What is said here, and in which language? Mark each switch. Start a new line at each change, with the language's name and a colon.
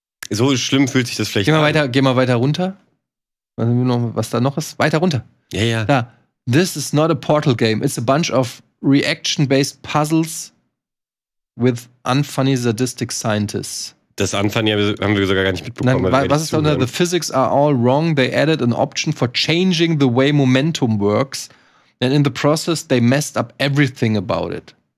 German: So schlimm fühlt sich das vielleicht an. Geh mal weiter runter. Was da noch ist? Weiter runter. Ja, ja. Da.
English: This is not a portal game. It's a bunch of reaction-based puzzles with unfunny sadistic scientists.
German: Das Unfunny haben wir sogar gar nicht mitbekommen. Nein, was ist da unter?
English: The physics are all wrong. They added an option for changing the way momentum works. And in the process, they messed up everything about it.